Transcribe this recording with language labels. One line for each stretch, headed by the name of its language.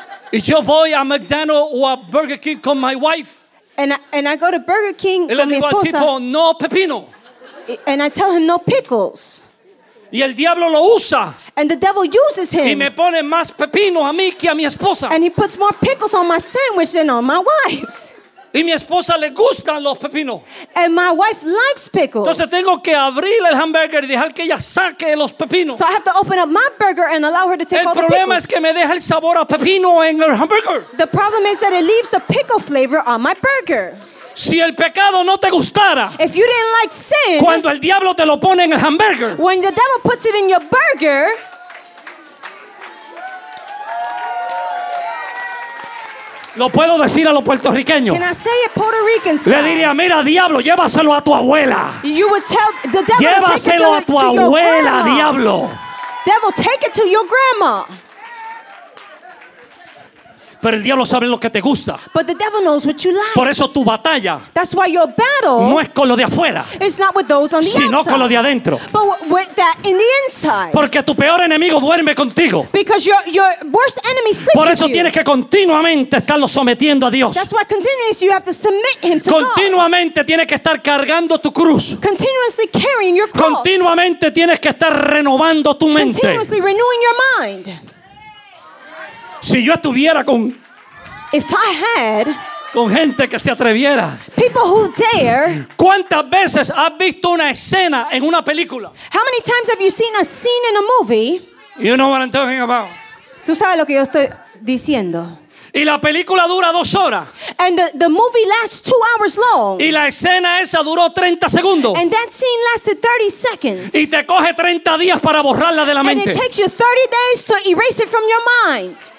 Spanish: Y yo voy a McDonald's o a Burger King con
English: my wife. And I go to Burger King
Spanish: con mi esposa. Y le digo al tipo, no pepino.
English: And I tell him no pickles.
Spanish: Y el diablo lo usa.
English: And the devil uses him.
Spanish: Y me pone más pepino a mí que a mi esposa.
English: And he puts more pickles on my sandwich than on my wife's.
Spanish: Y mi esposa le gustan los pepinos.
English: And my wife likes pickles.
Spanish: Entonces tengo que abrir el hamburger y dejar que ella saque los pepinos.
English: So I have to open up my burger and allow her to take
Spanish: el
English: all the
Spanish: pickles. El problema es que me deja el sabor a pepino en el hamburger.
English: The problem is that it leaves the pickle flavor on my burger.
Spanish: Si el pecado no te gustara,
English: if you didn't like sin,
Spanish: cuando el diablo te lo pone en el hamburger,
English: when the devil puts it in your burger,
Spanish: lo puedo decir a los puertorriqueños.
English: Can I say it Puerto Rican style?
Spanish: Le diría, mira, diablo, llévaselo a tu abuela.
English: You would tell the devil,
Spanish: llévaselo
English: take it to
Spanish: a tu abuela, grandma. Diablo.
English: Devil, take it to your grandma.
Spanish: Pero el diablo sabe lo que te gusta.
English: But the devil knows what you like.
Spanish: Por eso tu batalla.
English: That's why your battle.
Spanish: No es con lo de afuera.
English: It's not with those on the
Spanish: sino
English: outside.
Spanish: Con lo de adentro.
English: But with that in the inside.
Spanish: Porque tu peor enemigo duerme contigo.
English: Because your worst enemy sleeps with you.
Spanish: Por eso tienes que continuamente estarlo sometiendo a Dios.
English: That's why continuously you have to submit him to God.
Spanish: Continuamente tienes que estar cargando tu cruz.
English: Continuously carrying your cross.
Spanish: Continuamente tienes que estar renovando tu mente.
English: Continuously renewing your mind.
Spanish: Si yo estuviera con
English: if I had
Spanish: con gente que se atreviera
English: people who dare
Spanish: ¿cuántas veces has visto una escena en una película?
English: How many times have you seen a scene in a movie? You know what I'm talking about.
Spanish: ¿Tú sabes lo que yo estoy diciendo? Y la película dura 2 horas
English: and the movie lasts 2 hours long
Spanish: y la escena esa duró 30 segundos
English: and that scene lasted 30 seconds
Spanish: y te coge 30 días para borrarla de la mente
English: and it takes you 30 days to erase it from your mind.